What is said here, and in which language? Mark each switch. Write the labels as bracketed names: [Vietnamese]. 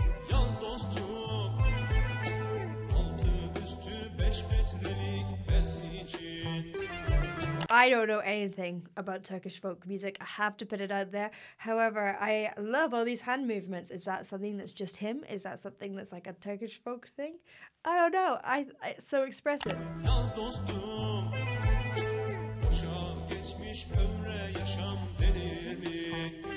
[Turkish] Yaz dostum, altı üstü beş metrelik bez için. [English] I don't know anything about Turkish folk music, I have to put it out there. However, I love all these hand movements. Is that something that's just him? Is that something that's like a Turkish folk thing? I don't know, it's so expressive. [Turkish] Yaz dostum, boşa geçmiş ömre yaşam denir mi?